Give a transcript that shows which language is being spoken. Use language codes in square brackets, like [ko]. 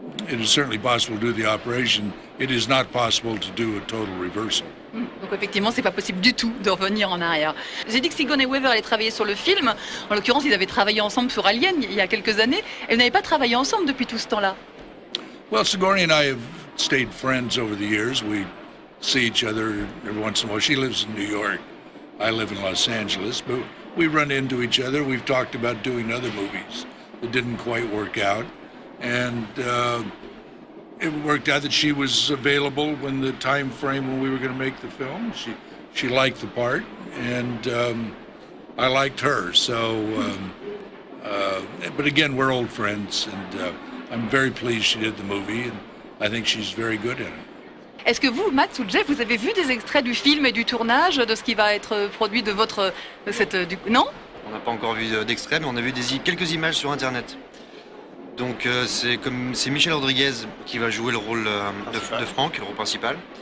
[en] It is certainly possible to do the operation. It is not possible to do a total reversal. [fr] Donc effectivement, c'est pas possible du tout de revenir en arrière. J'ai dit que Sigourney Weaver allait travailler sur le film. En l'occurrence, ils avaient travaillé ensemble sur Alien il y a quelques années. Et vous n'avez pas travaillé ensemble depuis tout ce temps-là. [en] Well, Sigourney and I have stayed friends over the years. We see each other every once in a while. She lives in New York. I live in Los Angeles. But we run into each other. We've talked about doing other movies that didn't quite work out. And it worked out that she was available when the time frame when we were going to make the film. She liked the part, and I liked her. So, but again, we're old friends, and I'm very pleased she did the movie, and I think she's very good in it. [fr] Est-ce que vous, Matt ou Jeff, vous avez vu des extraits du film et du tournage de ce qui va être produit de votre cette du non? On n'a pas encore vu d'extrait, mais on a vu des quelques images sur Internet. Donc c'est Michel Rodriguez qui va jouer le rôle de Franck, le rôle principal.